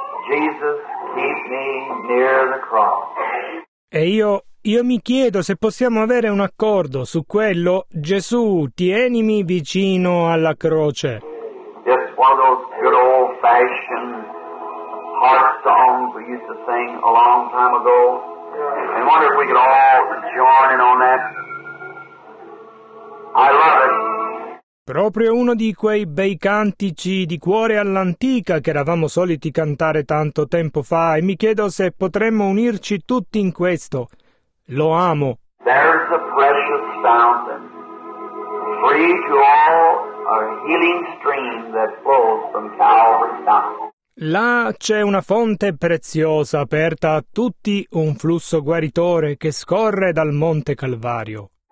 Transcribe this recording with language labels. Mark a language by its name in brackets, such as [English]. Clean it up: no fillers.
[English] Jesus, keep me near the cross. [Italian] E io mi chiedo se possiamo avere un accordo su quello. Gesù, tienimi vicino alla croce. [English] It's one of those good old-fashioned heart songs we used to sing a long time ago. I wonder if we could all join in on that. I love it. [Italian] Proprio uno di quei bei cantici di cuore all'antica che eravamo soliti cantare tanto tempo fa, e mi chiedo se potremmo unirci tutti in questo. Lo amo. [English] There's a precious fountain, free to all, a healing stream that flows from Calvary's mouth. [Italian] Là c'è una fonte preziosa aperta a tutti, un flusso guaritore che scorre dal Monte Calvario.